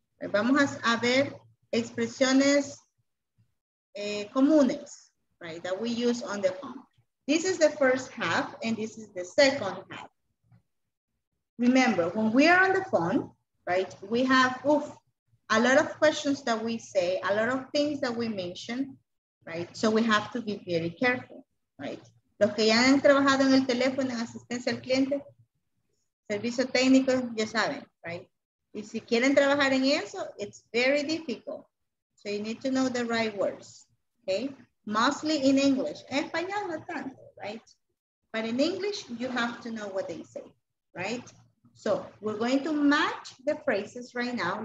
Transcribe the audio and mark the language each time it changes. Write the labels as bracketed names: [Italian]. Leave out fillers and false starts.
[Spanish] Vamos a ver expresiones comunes, [English] right, that we use on the phone. This is the first half and this is the second half. Remember, when we are on the phone, right, we have a lot of questions that we say, a lot of things that we mention, right? So we have to be very careful, right? [Spanish] Los que ya han trabajado en el teléfono, en asistencia al cliente, servicio técnico, ya saben, right? Y si quieren trabajar en eso, [English] it's very difficult. So you need to know the right words, okay? Mostly in English. [Spanish] En español no tanto, [English] right? But in English, you have to know what they say, right? So we're going to match the phrases right now.